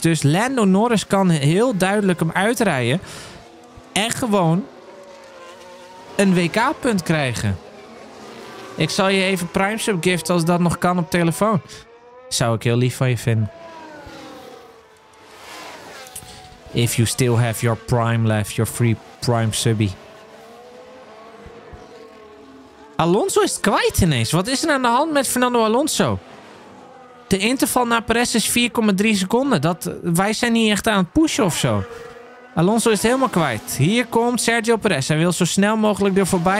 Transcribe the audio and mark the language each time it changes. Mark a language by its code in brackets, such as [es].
[nl] Dus Lando Norris kan heel duidelijk hem uitrijden. En gewoon een WK-punt krijgen. Ik zal je even Prime Sub giften als dat nog kan op telefoon. Zou ik heel lief van je vinden. [en] If you still have your Prime left, your free Prime Subby. [nl] Alonso is het kwijt ineens. Wat is er aan de hand met Fernando Alonso? De interval naar Perez is 4,3 seconden. Wij zijn niet echt aan het pushen of zo. Alonso is het helemaal kwijt. Hier komt Sergio Perez. Hij wil zo snel mogelijk er voorbij.